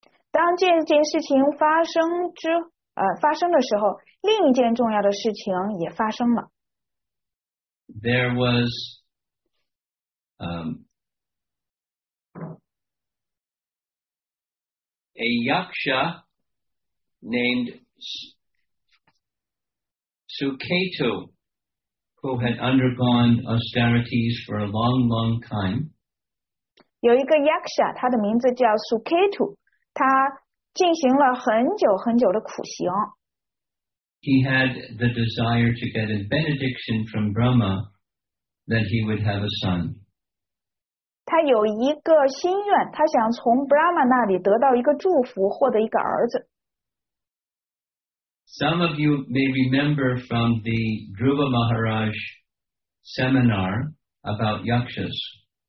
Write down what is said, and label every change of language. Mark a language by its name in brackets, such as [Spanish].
[Chinese] 当这件事情发生的时候，另一件重要的事情也发生了。 [English] There was a yaksha named Suketu who had undergone austerities for a long, long time. [Chinese] 有一个 yaksha， 他的名字叫 Suketu。他进行了很久很久的苦行。 [English] He had the desire to get a benediction from Brahma that he would have a son. [Chinese] 他有一个心愿，他想从 Brahma 那里得到一个祝福，获得一个儿子。 [English] Some of you may remember from the Dhruva Maharaj seminar about yakshas.